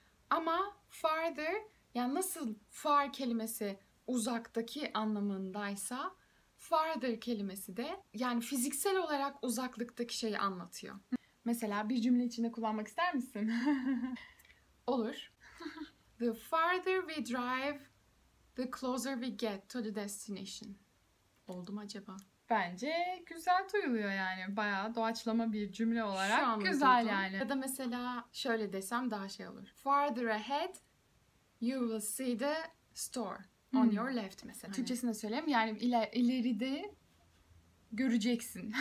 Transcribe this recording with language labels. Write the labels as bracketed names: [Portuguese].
[Turkish] Ama farther, yani nasıl far kelimesi uzaktaki anlamındaysa farther kelimesi de yani fiziksel olarak uzaklıktaki şeyi anlatıyor. Mesela bir cümle içinde kullanmak ister misin? Olur. [English] The farther we drive, the closer we get to the destination. [Turkish] Oldu mu acaba? Bence güzel duyuluyor yani. Bayağı doğaçlama bir cümle olarak. Şu an güzel duydum. Yani. Ya da mesela şöyle desem daha şey olur. [English] Farther ahead you will see the store on your left mesela. [Turkish] Hani. Türkçesini söyleyeyim. Yani ileride göreceksin.